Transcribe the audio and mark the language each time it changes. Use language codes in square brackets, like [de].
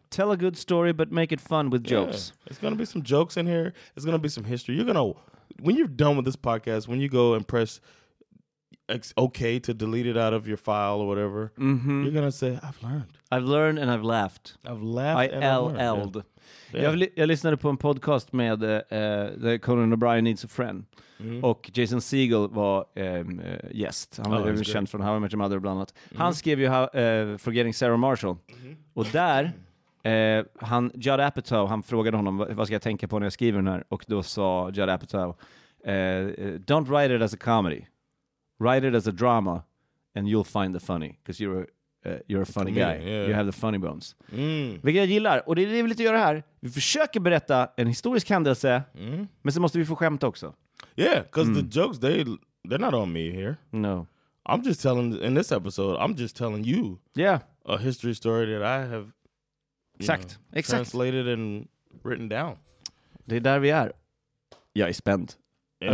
[en] Tell a good story, but make it fun with jokes. Yeah. It's gonna be some jokes in here. It's gonna be some history. You're gonna, when you're done with this podcast, when you go and press okay to delete it out of your file or whatever, you're gonna say, "I've learned." I've learned and I've laughed. I've laughed. I've learned. Yeah. [sv] Jag lyssnade på en podcast med Conan O'Brien Needs a Friend. Och Jason Segel var gäst. Han var känd från How I Met Your Mother bland annat. Han skrev ju Forgetting Sarah Marshall. Och där Judd Apatow, han frågade honom, vad ska jag tänka på när jag skriver den här? Och då sa [en] Judd Apatow, don't write it as a comedy, write it as a drama and you'll find the funny, because you're a funny guy. Yeah. You have the funny bones. [sv] Vilket jag gillar. Och det är det vi lite gör här. Vi försöker berätta en historisk händelse. Men så måste vi få skämt också. [en] Yeah, because the jokes, they're not on me here. No. I'm just telling, in this episode, I'm just telling you a history story that I have translated and written down. [sv] Det är där vi är. Jag är spänd. [en] Yeah,